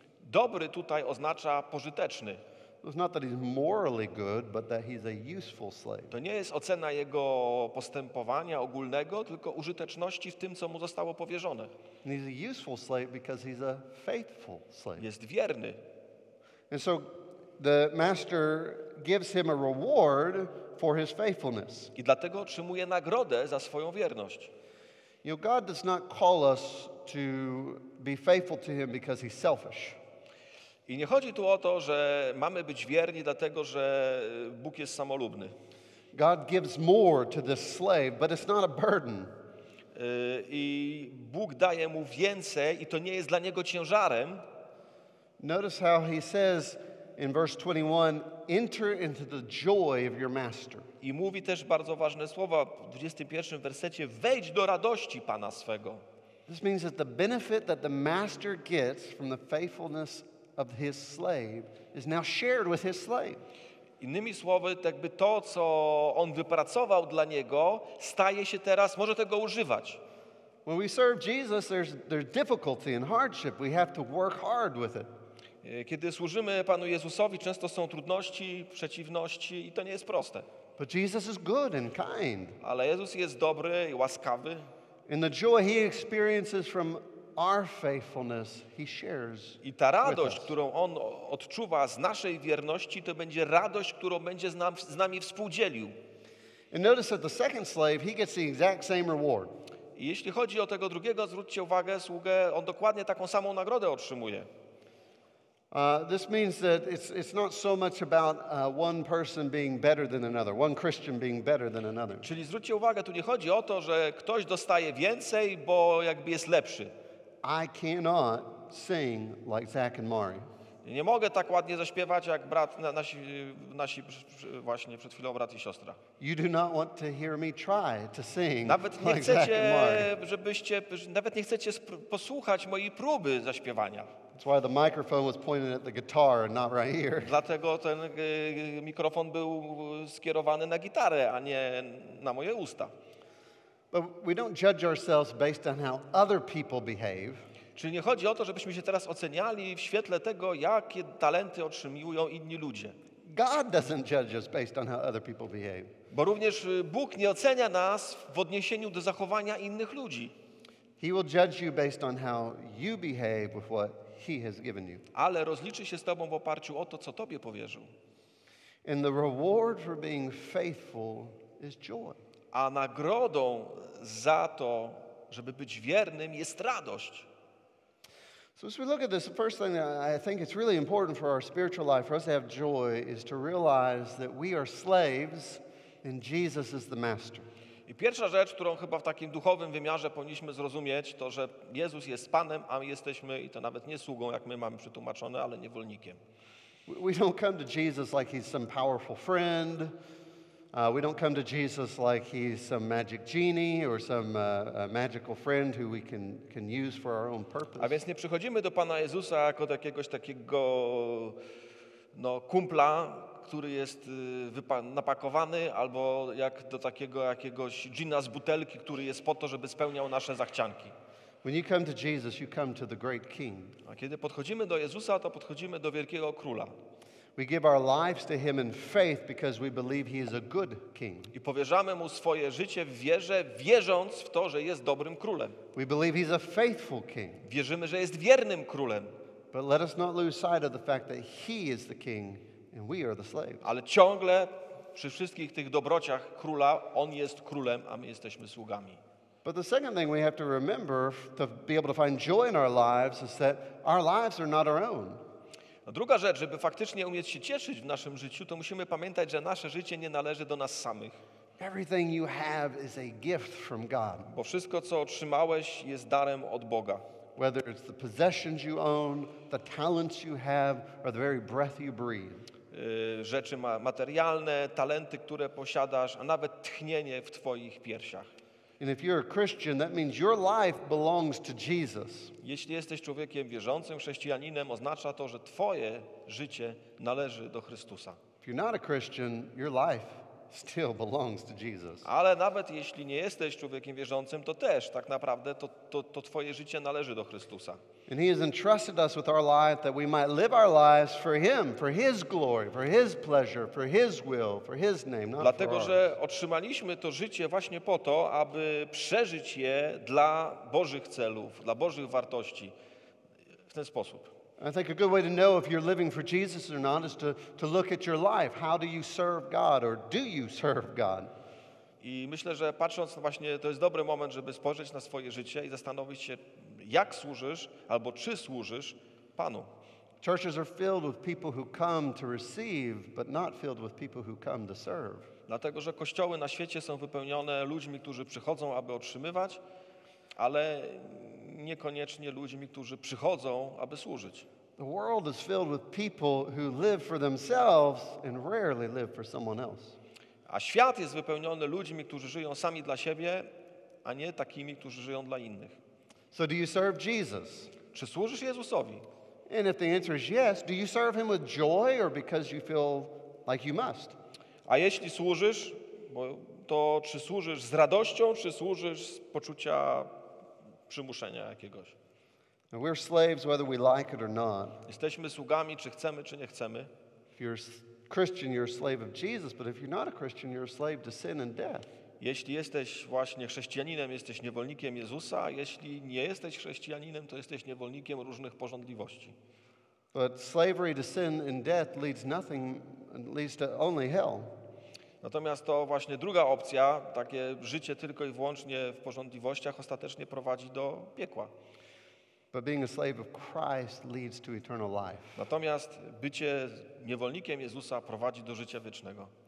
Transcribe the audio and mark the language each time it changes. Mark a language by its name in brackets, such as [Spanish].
[Polish] Dobry tutaj oznacza pożyteczny. [English] It's not that he's morally good, but that he's a useful slave. [Polish] To nie jest ocena jego postępowania ogólnego, tylko użyteczności w tym, co mu zostało powierzone. [English] And he's a useful slave because he's a faithful slave. [Polish] Jest wierny. [English] And so the master gives him a reward for his faithfulness. [Polish] I dlatego otrzymuje nagrodę za swoją wierność. [English] You know, God does not call us to be faithful to him because he's selfish. [Polish] I nie chodzi tu o to, że mamy być wierni dlatego, że Bóg jest samolubny. [English] God gives more to this slave, but it's not a burden. [Polish] I Bóg daje mu więcej i to nie jest dla niego ciężarem. [English] Notice how he says in verse 21, enter into the joy of your master. [Polish] I mówi też bardzo ważne słowa w 21 wersecie, wejdź do radości pana swego. [English] This means that the benefit that the master gets from the faithfulness of his slave is now shared with his slave. [Polish] Innymi słowy, jakby to, co on wypracował dla niego, staje się teraz, może tego używać. [English] When we serve Jesus, there's difficulty and hardship. We have to work hard with it. [Polish] Kiedy służymy Panu Jezusowi, często są trudności, przeciwności i to nie jest proste. [English] But Jesus is good and kind. [Polish] Ale Jezus jest dobry i łaskawy. [English] And the joy he experiences from our faithfulness, he shares. [Polish] I ta radość, którą on odczuwa z naszej wierności, to będzie radość, którą będzie z nami współdzielił. [English] And notice that the second slave, he gets the exact same reward. [Polish] I jeśli chodzi o tego drugiego, zwróćcie uwagę, sługę, on dokładnie taką samą nagrodę otrzymuje. [English] This means that it's not so much about one person being better than another, one Christian being better than another. [Polish] Czyli zwróćcie uwagę, tu nie chodzi o to, że ktoś dostaje więcej, bo jakby jest lepszy. [English] I cannot sing like Zach and Mari. [Polish] Nie mogę tak ładnie zaśpiewać jak brat nasi właśnie przed chwilą brat i siostra. [English] You do not want to hear me try to sing. [Polish] Nawet nie chcecie, [English] like Zach and Mari. [Polish] Żebyście nawet nie chcecie posłuchać mojej próby zaśpiewania. [English] That's why the microphone was pointed at the guitar and not right here. [Polish] Dlatego ten mikrofon był skierowany na gitarę, a nie na moje usta. [English] But we don't judge ourselves based on how other people behave. [Polish] Czyli nie chodzi o to, żebyśmy się teraz oceniali w świetle tego, jakie talenty otrzymują inni ludzie. [English] God doesn't judge us based on how other people behave. [Polish] Bo również Bóg nie ocenia nas w odniesieniu do zachowania innych ludzi. [English] He will judge you based on how you behave with what he has given you. [Polish] Ale rozliczy się z tobą w oparciu o to, co tobie powierzył. [English] And the reward for being faithful is joy. [Polish] A nagrodą za to, żeby być wiernym, jest radość. [English] So as we look at this, the first thing that I think it's really important for our spiritual life, for us to have joy, is to realize that we are slaves and Jesus is the master. [Polish] I pierwsza rzecz, którą chyba w takim duchowym wymiarze powinniśmy zrozumieć, to że Jezus jest Panem, a my jesteśmy, i to nawet nie sługą, jak my mamy przetłumaczone, ale niewolnikiem. [English] We don't come to Jesus like he's some powerful friend. We don't come to Jesus like he's some magic genie or some magical friend who we can use for our own purpose. [Polish] A więc nie przychodzimy do Pana Jezusa jako do jakiegoś takiego kumpla, który jest napakowany, albo jak do takiego jakiegoś dżina z butelki, który jest po to, żeby spełniał nasze zachcianki. [English] When you come to Jesus, you come to the great king. [Polish] A kiedy podchodzimy do Jezusa, to podchodzimy do wielkiego króla. [English] We give our lives to him in faith because we believe he is a good king. [Polish] I powierzamy mu swoje życie w wierze, wierząc w to, że jest dobrym królem. [English] We believe he's a faithful king. [Polish] Wierzymy, że jest wiernym królem. [English] But let us not lose sight of the fact that he is the king and we are the slaves. [Polish] Ale ciągle przy wszystkich tych dobrociach króla, on jest królem, a my jesteśmy sługami. [English] But the second thing we have to remember to be able to find joy in our lives is that our lives are not our own. [Polish] A druga rzecz, żeby faktycznie umieć się cieszyć w naszym życiu, to musimy pamiętać, że nasze życie nie należy do nas samych. [English] Everything you have is a gift from God. [Polish] Bo wszystko, co otrzymałeś, jest darem od Boga. [English] Whether it's the possessions you own, the talents you have, or the very breath you breathe. [Polish] Rzeczy materialne, talenty, które posiadasz, a nawet tchnienie w twoich piersiach. [English] And if you're a Christian, that means your life belongs to Jesus. [Polish] Jeśli jesteś człowiekiem wierzącym, chrześcijaninem, oznacza to, że twoje życie należy do Chrystusa. [English] If you're not a Christian, your life still belongs to Jesus. [Polish] Ale nawet jeśli nie jesteś człowiekiem wierzącym, to też tak naprawdę to twoje życie należy do Chrystusa. [English] And he has entrusted us with our life that we might live our lives for him, for his glory, for his pleasure, for his will, for his name, not [Polish] dlatego, [English] for [Polish] że otrzymaliśmy to życie właśnie po to, aby przeżyć je dla Bożych celów, dla Bożych wartości w ten sposób. [English] I think a good way to know if you're living for Jesus or not is to look at your life. How do you serve God or do you serve God? [Polish] I myślę, że patrząc właśnie, to jest dobry moment, żeby spojrzeć na swoje życie i zastanowić się, jak służysz albo czy służysz Panu. [English] Churches are filled with people who come to receive, but not filled with people who come to serve. [Polish] Dlatego, że kościoły na świecie są wypełnione ludźmi, którzy przychodzą, aby otrzymywać, ale niekoniecznie ludźmi, którzy przychodzą, aby służyć. [English] The world is filled with people who live for themselves and rarely live for someone else. [Polish] A świat jest wypełniony ludźmi, którzy żyją sami dla siebie, a nie takimi, którzy żyją dla innych. [English] So do you serve Jesus? [Polish] Czy służysz Jezusowi? [English] And if the answer is yes, do you serve him with joy or because you feel like you must? [Polish] A jeśli służysz, to czy służysz z radością, czy służysz z poczucia przymuszenia jakiegoś? [English] And we're slaves whether we like it or not. [Polish] Jesteśmy sługami, czy chcemy, czy nie chcemy. [English] If you're a Christian, you're a slave of Jesus, but if you're not a Christian, you're a slave to sin and death. [Polish] Jeśli jesteś właśnie chrześcijaninem, jesteś niewolnikiem Jezusa, a jeśli nie jesteś chrześcijaninem, to jesteś niewolnikiem różnych pożądliwości. [English] But slavery to sin and death leads nothing, leads to only hell. [Polish] Natomiast to właśnie druga opcja, takie życie tylko i wyłącznie w pożądliwościach, ostatecznie prowadzi do piekła. [English] But being a slave of Christ leads to eternal life. [Polish] Natomiast bycie niewolnikiem Jezusa prowadzi do życia wiecznego.